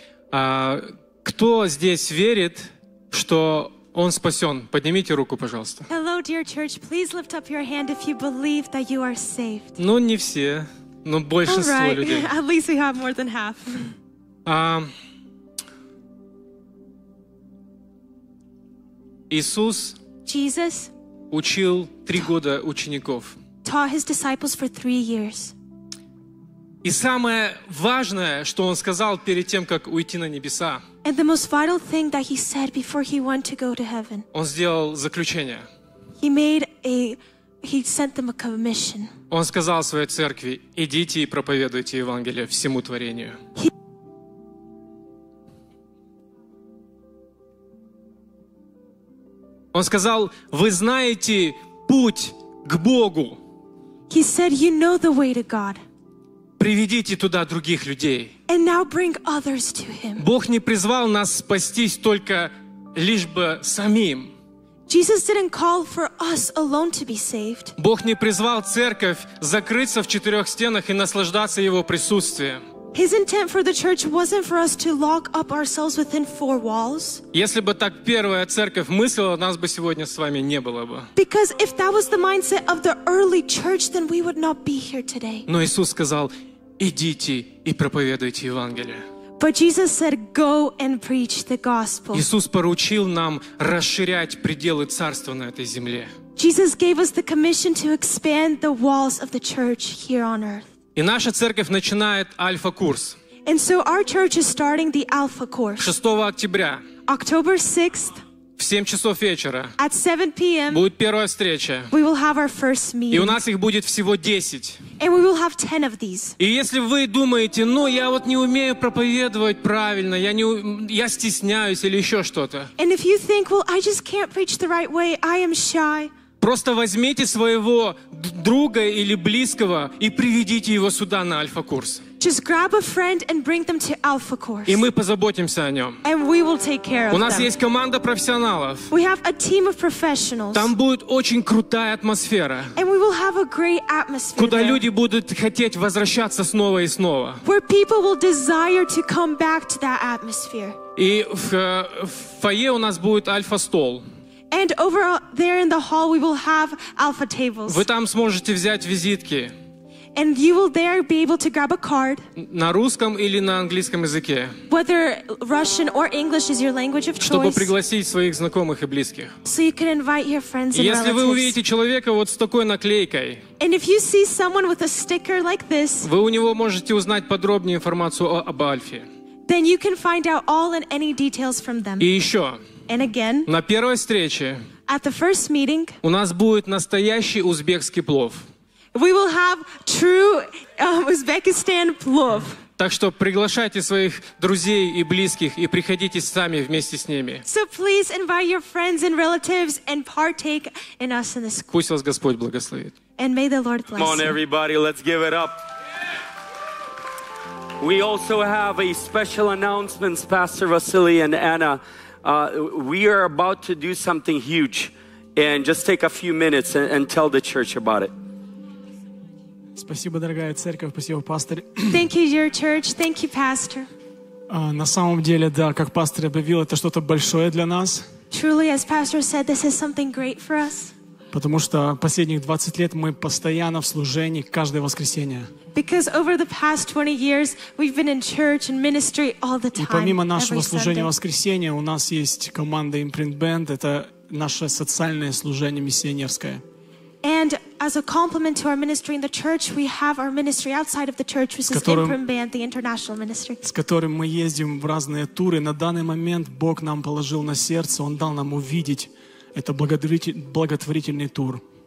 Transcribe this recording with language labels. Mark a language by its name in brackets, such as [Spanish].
[Russian] Кто здесь верит, что он спасен? Поднимите руку, пожалуйста. [English] Hello, dear church. Please lift up your hand if you believe that you are saved. [Russian] Ну, не все, но большинство [English] All right. [Russian] людей. [English] At least we have more than half. [Russian] Иисус [English] Jesus [Russian] учил три года учеников. [English] Taught his disciples for 3 years. [Russian] И самое важное, что он сказал перед тем, как уйти на небеса. [English] And the most vital thing that he said before he went to go to heaven. [Russian] Он сделал заключение. [English] He sent them a commission. [Russian] Он сказал своей церкви: идите и проповедуйте Евангелие всему творению. Он сказал: вы знаете путь к Богу. [English] He said, you know the way to God. [Russian] Приведите туда других людей. [English] And now bring others to him. [Russian] Бог не призвал нас спастись только лишь бы самим. [English] Jesus didn't call for us alone to be saved. [Russian] Бог не призвал церковь закрыться в четырех стенах и наслаждаться Его присутствием. [English] His intent for the church wasn't for us to lock up ourselves within four walls. [Russian] Если бы так первая церковь мыслила, нас бы сегодня с вами не было бы. [English] Because if that was the mindset of the early church, then we would not be here today. [Russian] Но Иисус сказал: идите и проповедуйте Евангелие. [English] But Jesus said, go and preach the gospel. [Russian] Иисус поручил нам расширять пределы царства на этой земле. [English] Jesus gave us the commission to expand the walls of the church here on earth. [Russian] И наша церковь начинает альфа-курс. [English] And so our church is starting the alpha course. [Russian] 6 октября. [English] October 6th. [Russian] В 7 часов вечера. [English] At 7 p.m. [Russian] Будет первая встреча. [English] We will have our first meeting. [Russian] И у нас их будет всего 10. [English] And we will have 10 of these. [Russian] И если вы думаете, ну я вот не умею проповедовать правильно, я стесняюсь или еще что-то. [English] And if you think, well, I just can't preach the right way, I am shy. [Russian] Просто возьмите своего друга или близкого и приведите его сюда на альфа-курс. [English] Just grab a friend and bring them to Alpha Course. [Russian] И мы позаботимся о нем. [English] And we will take care of [Russian] У нас [English] them. [Russian] Есть команда профессионалов. [English] We have a team of professionals. [Russian] Там будет очень крутая атмосфера. [English] And we will have a great atmosphere. [Russian] Куда [English] there. [Russian] Люди будут хотеть возвращаться снова и снова. [English] Where people will desire to come back to that atmosphere. [Russian] И в фойе у нас будет альфа-стол. [English] And over there in the hall we will have alpha tables. [Russian] Вы там сможете взять визитки. [English] And you will there be able to grab a card. [Russian] На русском или на английском языке. [English] Whether Russian or English is your language of choice. [Russian] Чтобы пригласить своих знакомых и близких. [English] So you can invite your friends and [Russian] если [English] relatives. [Russian] Если вы увидите человека вот с такой наклейкой. [English] And if you see someone with a sticker like this. [Russian] Вы у него можете узнать подробнее информацию об Альфе. [English] Then you can find out all and any details from them. [Russian] И еще. [English] And again. [Russian] На первой встрече. [English] At the first meeting. [Russian] У нас будет настоящий узбекский плов. [English] We will have true Uzbekistan plov. [Russian] Так что приглашайте своих друзей и близких и приходите сами вместе с ними. [English] So please invite your friends and relatives and partake in us in this. [Russian] Пусть вас Господь благословит. [English] And may the Lord bless you. Come on everybody, let's give it up. We also have a special announcement, Pastor Vasily and Anna. We are about to do something huge. And just take a few minutes and tell the church about it. [Russian] Спасибо, дорогая церковь, спасибо, пастор. [English] Thank you, dear church. Thank you, pastor. [Russian] На самом деле, да, как пастор объявил, это что-то большое для нас. [English] Truly, as pastor said, this is something great for us. [Russian] Потому что последних 20 лет мы постоянно в служении каждое воскресенье. [English] Because over the past 20 years, we've been in church and ministry all the time. [Russian] И помимо нашего служения воскресенья, у нас есть команда Imprint Band. Это наше социальное служение миссионерское. [English] And as a complement to our ministry in the church, we have our ministry outside of the church, which is Imprint Band, the international ministry. [Russian] С которым мы ездим в разные туры. На данный момент Бог нам положил на сердце, Он дал нам увидеть. Это благотворительный тур.